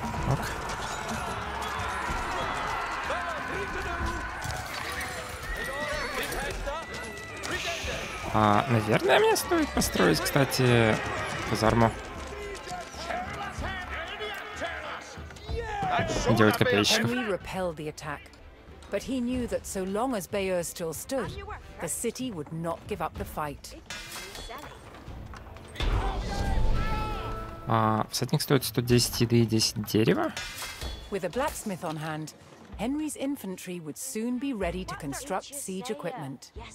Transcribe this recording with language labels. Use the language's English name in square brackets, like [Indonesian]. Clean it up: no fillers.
[Russian] Ок. А, наверное, мне стоит построить, кстати, казарму. Делать копейщиков. [English] Henry repelled the attack, but he knew that so long as Bayeur still stood, the city would not give up the fight. [Russian] Всадник стоит 110 еды и 10 дерева. [English] With a blacksmith on hand, Henry's infantry would soon be ready to construct siege equipment.